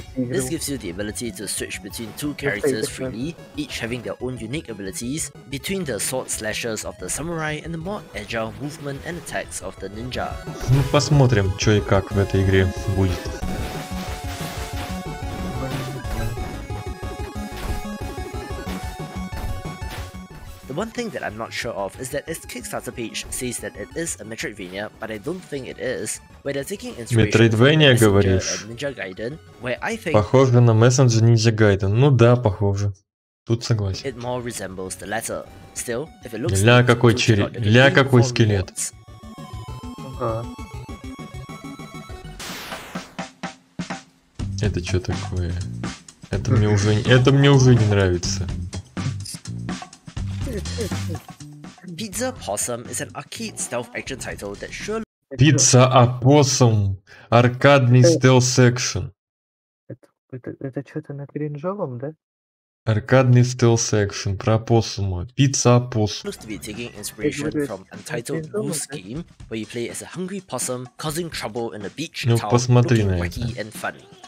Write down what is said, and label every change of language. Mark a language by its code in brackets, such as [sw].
[en] This gives you the ability to switch between two characters freely, each having their own unique abilities, between the sword slashers of the samurai and the more agile movement and attacks of the ninja. [ru] Ну посмотрим, что и как в этой игре будет. [en] One thing that I'm not sure of is that its Kickstarter page says that it is a Metroidvania, but I don't think it is. Where they're taking inspiration from Messenger Ninja Gaiden, where I think. [ru] Похоже на Messenger Ninja Gaiden. Ну да, похоже. Тут согласен. [en] It more resembles the latter. Still, if it looks. [ru] Ля какой череп. Ля какой скелет. Это что такое? Это мне уже не нравится. [en] Pizza Possum is an arcade stealth action title that surely. [ru] Pizza Possum, аркадный stealth action. Это что-то на кринжовом, да? Аркадный stealth action про Possum'а. Pizza Possum. [en] Looks to be taking inspiration from Untitled Goose Game, where you play as a hungry possum causing trouble in a beach town, looking wacky and funny.